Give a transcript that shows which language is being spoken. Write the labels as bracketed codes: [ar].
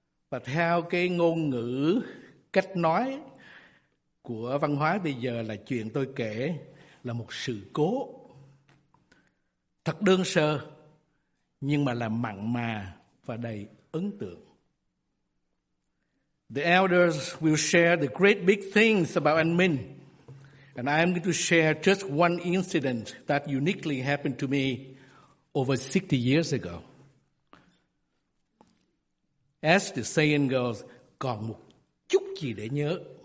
[vi] Và theo cái ngôn ngữ cách nói của văn hóa bây giờ là chuyện tôi kể là một sự cố. Thật đơn sơ nhưng mà là mặn mà và đầy ấn tượng. [en] The elders will share the great big things about anh Minh. And I am going to share just one incident that uniquely happened to me over 60 years ago. As the saying goes, [vi] còn một chút gì để nhớ.